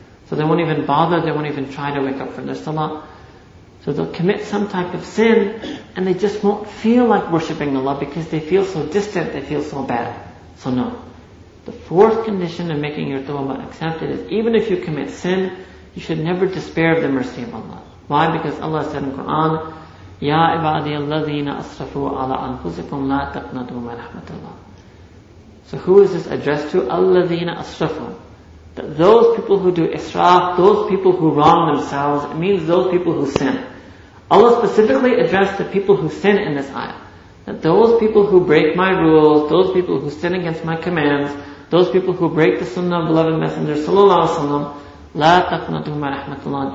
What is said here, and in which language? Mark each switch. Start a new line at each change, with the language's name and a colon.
English: So they won't even bother, they won't even try to wake up for their salah. So they'll commit some type of sin, and they just won't feel like worshipping Allah because they feel so distant, they feel so bad. So no. The fourth condition of making your tawbah accepted is even if you commit sin, you should never despair of the mercy of Allah. Why? Because Allah said in Quran,
Arabic: يَا عِبَادِيَ الَّذِينَ أَصْرَفُوا عَلَىٰ أَنفُسِكُمْ لَا تَقْنَطُوا مِن رَحْمَةِ اللَّهِ.
English: So who is this addressed to?
Arabic: الَّذِينَ أَصْرَفُوا.
English: That those people who do israf, those people who wrong themselves, it means those people who sin. Allah specifically addressed the people who sin in this ayah. That those people who break my rules, those people who sin against my commands, those people who break the sunnah of beloved Messenger sallallahu alaihi wasallam,
Arabic: لَا تَقْنَطُوا مِن رَحْمَةِ اللَّهِ.